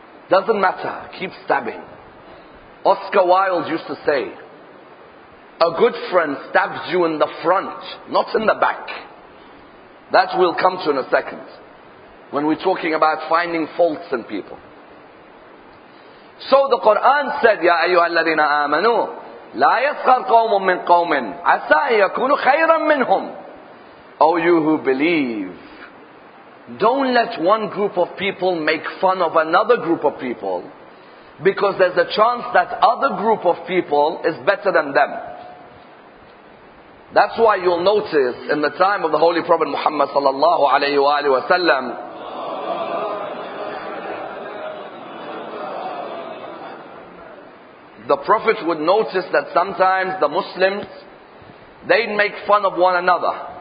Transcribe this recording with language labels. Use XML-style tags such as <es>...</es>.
<en>Doesn't matter, keep stabbing. Oscar Wilde used to say, a good friend stabs you in the front, not in the back. That we'll come to in a second, when we're talking about finding faults in people. So the Quran said,</en> <ar>يَا أَيُّهَا الَّذِينَ آمَنُوا لَا يَسْخَرْ قَوْمٌ مِّن قَوْمٍ عَسَىٰ يَكُونُ خَيْرًا مِّنْهُمْ.</ar> <en>O you who believe, don't let one group of people make fun of another group of people, because there's a chance that other group of people is better than them. That's why you'll notice in the time of the Holy Prophet Muhammad sallallahu alayhi wa alayhi wa sallam, the Prophet would notice that sometimes the Muslims, they'd make fun of one another.</en>